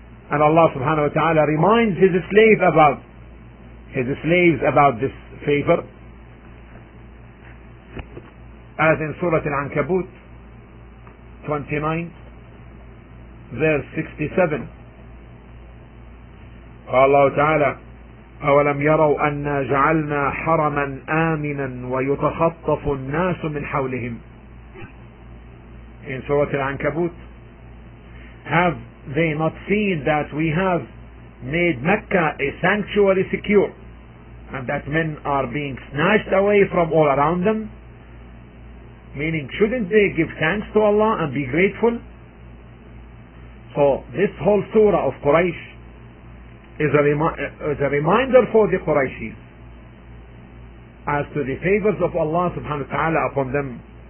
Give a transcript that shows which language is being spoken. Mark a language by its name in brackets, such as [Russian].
[English] And Allah subhanahu wa ta'ala reminds his slaves about this favor, as in Surah Al-Ankabut 29 verse 67. [Arabic] قال الله تعالى أولم يروا أنا جعلنا حرما آمنا ويتخطف الناس من حولهم. [English] In Surah Al-Ankabut, have they not seen that we have made Mecca a sanctuary secure, and that men are being snatched away from all around them? Meaning, shouldn't they give thanks to Allah and be grateful? So this whole surah of Quraysh is a reminder for the Qurayshis as to the favors of Allah subhanahu wa ta'ala upon them.